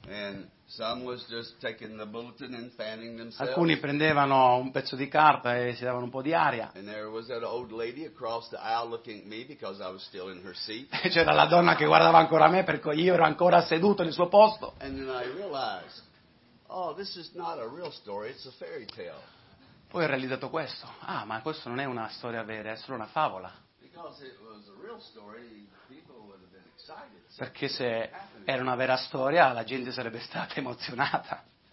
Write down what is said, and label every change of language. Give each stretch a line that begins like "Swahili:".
English: And some was just taking the bulletin and fanning themselves.
Italian: Alcuni prendevano un pezzo di carta e si davano un po' di aria.
English: And there was that old lady across the aisle looking at me because I was still in her seat.
Italian: E c'era la donna che guardava ancora me perché io ero ancora seduto nel suo posto.
English: And then I realized, oh, this is not a real story, it's a fairy tale.
Italian: Poi ho realizzato questo. Ah, ma questo non è una storia vera, è solo una favola.
English: Because it was a real story, people would have been excited.
Italian: Perché se era una vera storia, la gente sarebbe stata emozionata.